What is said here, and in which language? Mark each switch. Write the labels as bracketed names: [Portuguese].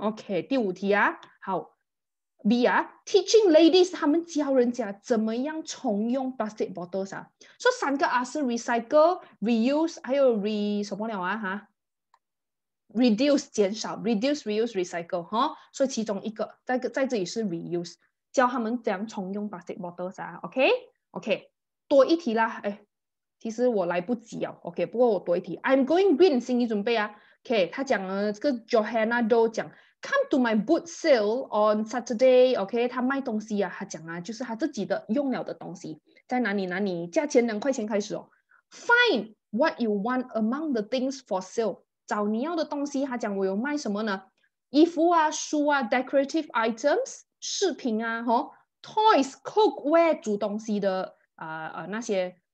[Chinese] OK， 第五题啊，好 ，B 啊 ， [English] teaching ladies [Chinese] 他们教人家怎么样重用 plastic bottles 啊。所以三个 R 是 recycle、reuse 还有 re 什么了啊？哈 ，reduce 减少 ，reduce、reuse、recycle 哈。所以其中一个在这里是 reuse， 教他们怎样重用 plastic bottles 啊。 OK，OK，、okay? okay, 多一题啦，哎。其实我来不及了 ，OK， 不过我多一题 ， [English] I'm going green， [Chinese] 心理准备啊 ，OK， 他讲了这个 Johanna Doe 讲 ， [English] Come to my boot sale on Saturday， [Chinese] OK，、okay? 他卖东西啊，他讲啊，就是他自己的用了的东西，在哪里哪里，价钱两块钱开始哦 ， [English] Find what you want among the things for sale， [Chinese] 找你要的东西，他讲我有卖什么呢？衣服啊，书啊 ， [English] decorative items， [Chinese] 饰品啊，哦 ，toys， cookware， 煮东西的啊、那些。